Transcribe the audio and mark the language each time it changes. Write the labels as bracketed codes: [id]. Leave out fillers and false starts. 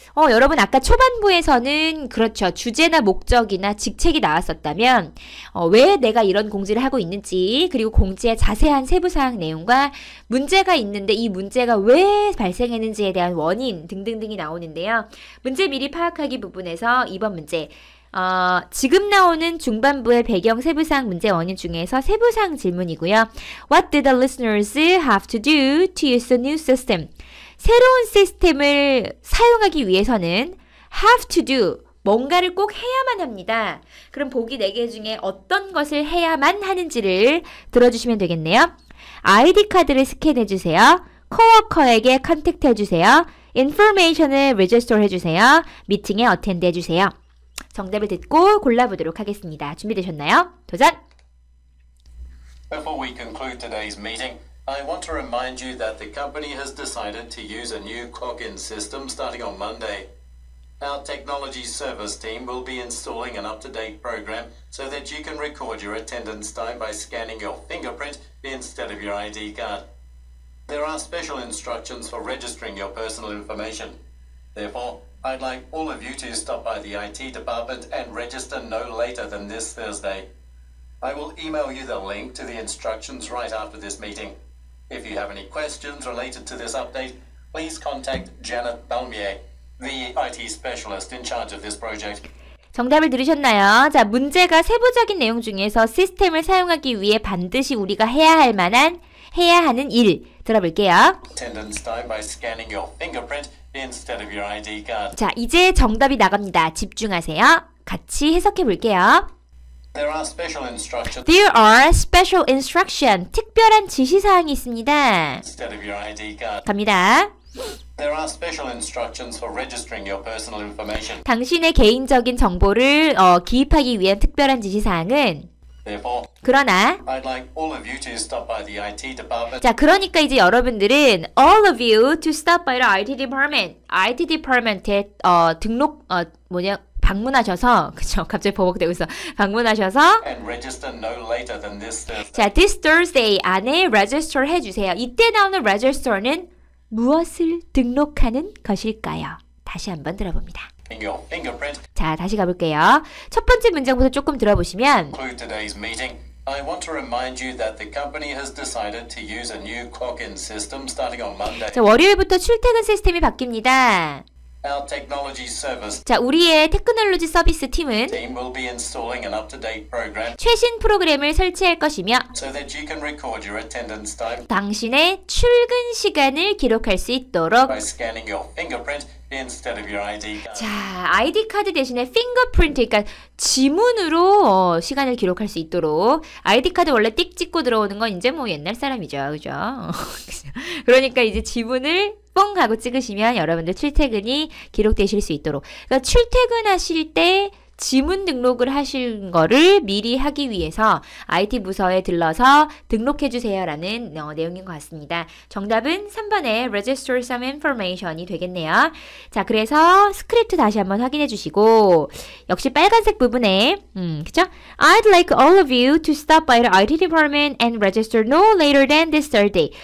[ko] 여러분, 아까 초반부에서는, 그렇죠. 주제나 목적이나 직책이 나왔었다면, 왜 내가 이런 공지를 하고 있는지, 그리고 공지의 자세한 세부 사항 내용과 문제가 있는데 이 문제가 왜 발생했는지에 대한 원인 등등등이 나오는데요. 문제 미리 파악하기 부분에서 2번 문제. 지금 나오는 중반부의 배경 세부사항 문제 원인 중에서 세부사항 질문이고요. [en] What did the listeners have to do to use the new system? [ko] 새로운 시스템을 사용하기 위해서는 have to do, 뭔가를 꼭 해야만 합니다. 그럼 보기 4개 중에 어떤 것을 해야만 하는지를 들어주시면 되겠네요. 아이디 카드를 스캔해 주세요. 코워커에게 컨택해 주세요. Information을 register 해 주세요. 미팅에 attend 해 주세요. 정답을 듣고 골라보도록 하겠습니다. 준비되셨나요? 도전! [en] Before we conclude today's meeting, I want to remind you that the company has decided to use a new clock-in system starting on Monday. Our technology service team will be installing an up-to-date program so that you can record your attendance time by scanning your fingerprint instead of your ID card. There are special instructions for registering your personal information. Therefore, I'd like all of you to stop by the IT department and register no later than this Thursday. I will email you the link to the instructions right after this meeting. If you have any questions related to this update, please contact Janet Balmier, the IT specialist in charge of this project. [ko] 정답을 들으셨나요? 자, 문제가 세부적인 내용 중에서 시스템을 사용하기 위해 반드시 우리가 해야 하는 일 들어볼게요. [en] Attendance time by scanning your fingerprint instead of your ID [ko] 자, 이제 정답이 나갑니다. 집중하세요. 같이 해석해 볼게요. [en] There are special instructions. There are special instructions. [ko] 특별한 지시사항이 있습니다. [en] Instead of your ID [ko] 갑니다. [en] card. There are special instructions for registering your personal information. [ko] 당신의 개인적인 정보를 기입하기 위한 특별한 지시사항은 [en] Therefore, [ko] 그러나 [en] I'd like all of you to stop by the IT department. [ko] 자, 그러니까 이제 여러분들은 [en] all of you to stop by the IT department. [ko] IT department에 등록 뭐냐 방문하셔서 그렇죠. 갑자기 버벅대고 있어. 방문하셔서 [en] And register no later than this Thursday. [ko] 자, [en] this Thursday [ko] 안에 register 해 주세요. 이때 나오는 register는 무엇을 등록하는 것일까요? 다시 한번 들어봅니다. 자, 다시 가볼게요. 첫 번째 문장부터 조금 들어보시면 [en] Conclude today's meeting. I want to remind you that the company has decided to use a new clock-in system starting on Monday. [ko] 자, 월요일부터 출퇴근 시스템이 바뀝니다. [en] Our technology service. [ko] 자, 우리의 테크놀로지 서비스 팀은 [en] team will be installing an up-to-date program. [ko] 최신 프로그램을 설치할 것이며 [en] so that you can record your attendance time. [ko] 당신의 출근 시간을 기록할 수 있도록 [en] by scanning your fingerprint instead of your ID card. [ko] 자, ID 카드 대신에 fingerprint, 그러니까 지문으로 시간을 기록할 수 있도록 ID 카드 원래 띡 찍고 들어오는 건 이제 뭐 옛날 사람이죠, 그죠? 그러니까 이제 지문을 뽕 하고 찍으시면 여러분들 출퇴근이 기록되실 수 있도록 그러니까 출퇴근하실 때 지문 등록을 하신 거를 미리 하기 위해서 IT 부서에 들러서 등록해주세요 라는 내용인 것 같습니다. 정답은 3번에 [en] Register some information [ko] 이 되겠네요. 자, 그래서 스크립트 다시 한번 확인해 주시고 역시 빨간색 부분에 그쵸? [en] I'd like all of you to stop by the IT department and register no later than this Thursday.